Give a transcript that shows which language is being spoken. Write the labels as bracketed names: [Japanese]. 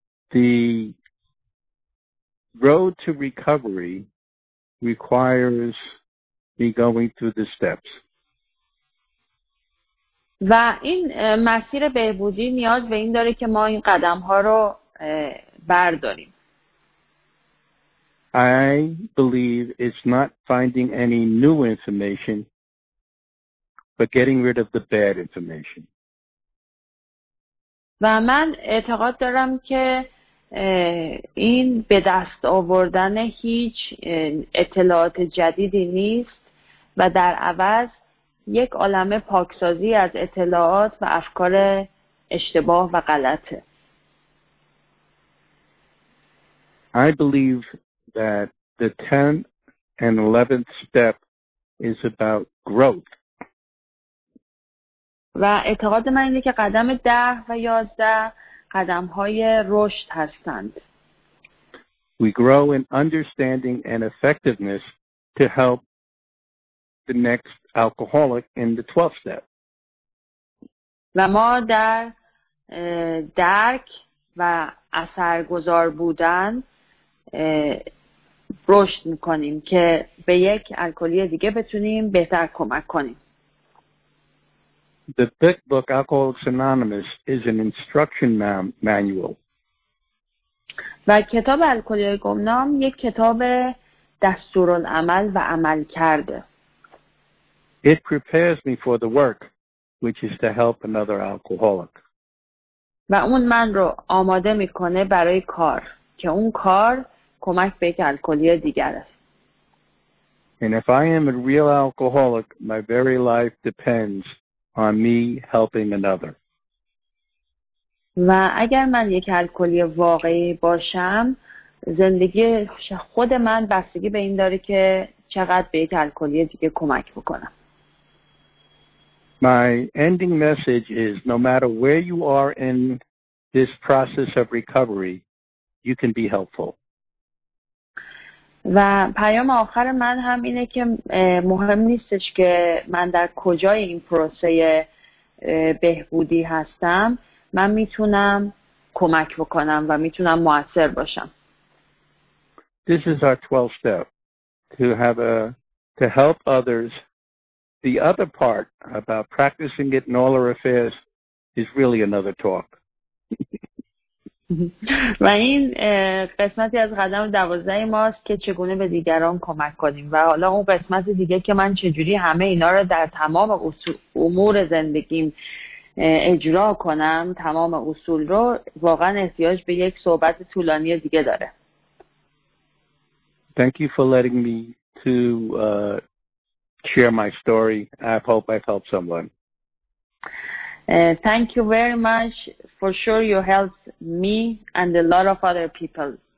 [English] The road to recovery requires me going through the steps. [Persian] و این مسیر بهبودی نیاز به این داره که ما این قدم ها رو برداریم. [English] I believe it's not finding any new information, but getting rid of the bad information. [Persian] و من اعتقاد دارم که این به دست آوردن هیچ اطلاعات جدیدی نیست و در عوض یک عالم پاکسازی از اطلاعات و افکار اشتباه و غلطه. [English] I believe that the 10th and 11th step is about growth. [Persian] و اعتقاد من اینه که قدم 10 و 11 قدم‌های رشد هستند. [English] We grow in understanding and effectiveness to help the next alcoholic in the 12th step. [Persian] و ما در درک و اثرگذار بودن رشد میکنیم که به یک الکلی دیگه بتونیم بهتر کمک کنیم. [English] The Big Book Alcoholics Anonymous is an instruction manual. [Persian] و کتاب الکلی‌های گمنام یک کتاب دستورالعمل و عمل کرده. [English] It prepares me for the work, which is to help another alcoholic. [Persian] و اون من رو آماده میکنه برای کار که اون کار کمک به یک الکلی دیگر است. [English] And if I am a real alcoholic, my very life depends on me helping another. [Persian] و اگر من یک الکلی واقعی باشم، زندگی خود من بستگی به این داره که چقدر به یک الکلی دیگه کمک بکنم. [English] My ending message is, no matter where you are in this process of recovery, you can be helpful. [Persian] و پیام آخر من هم اینه که مهم نیستش که من در کجای این پروسه بهبودی هستم، من میتونم کمک بکنم و میتونم مؤثر باشم. [English] This is our 12th step, to help others. The other part about practicing it in all our affairs is really another talk. [Persian] و این قسمتی از قدم 12 ماست که چگونه به دیگران کمک کنیم و حالا اون قسمت دیگه که من چجوری همه اینا رو در تمام امور زندگیم اجرا کنم، تمام اصول رو، واقعا احتیاج به یک صحبت طولانی دیگه داره. [English] Thank you for letting me to share my story. I hope I've helped someone. Thank you very much. For sure you helped me and a lot of other people.